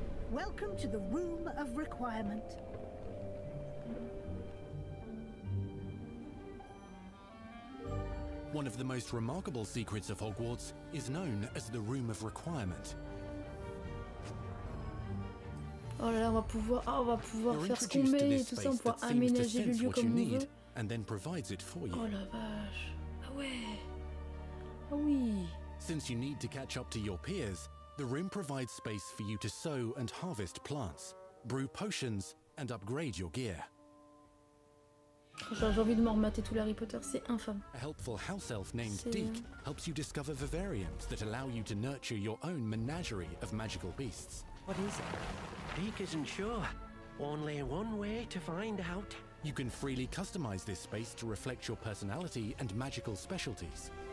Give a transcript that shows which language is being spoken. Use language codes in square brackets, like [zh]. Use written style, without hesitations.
[en] Welcome to the Room of Requirement. One of the most remarkable secrets of Hogwarts is known as the Room of Requirement. [fr] Oh là là, on va pouvoir faire ce qu'on met et tout ça, on pourra aménager le lieu comme on veut. [en] And then provides it for you. [fr] Oh la vache. Ah ouais. Ah oui. [en] Since you need to catch up to your peers, the room provides space for you to sow and harvest plants, brew potions, and upgrade your gear. [fr] J'ai envie de m'en remater tout l'Harry Potter, c'est infâme. [en] A helpful house elf named Deke helps you discover vivariums that allow you to nurture your own menagerie of magical beasts. What is it? Deke isn't sure. Only one way to find out. You can freely customize this space to reflect your personality and magical specialties.